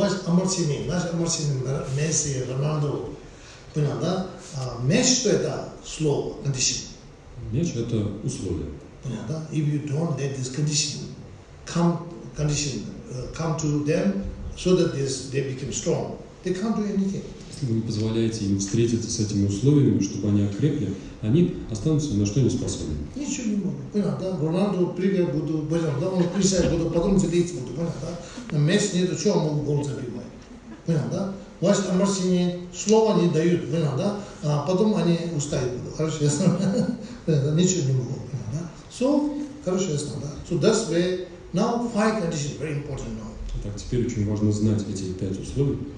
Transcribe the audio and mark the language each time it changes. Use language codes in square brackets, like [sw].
[ru] Амар Сини, Месси, Роналду, понял, да? Мяч, что это слово, кондиция? Мяч – это условие. Понятно, да? [en] If you don't let this condition come to them, so that they become strong, they can't do anything. [ru] Если вы не позволяете им встретиться с этими условиями, чтобы они окрепли, они останутся на что не способны. Ничего не могут. Понятно, да? Роналду прыгать буду, понятно, да? Он присядет буду, потом залить буду, понятно, да? Мяч нету, чего он могу гол забивать? Понятно, да? Ваши Амарсини слова не дают, понятно, да? А потом они устают будут. Хорошо, ясно? Ничего не могу. So, хорошо, ясно, да? [en] So, that's why now five conditions very important now. [ru] Так, теперь очень важно знать эти пять условий.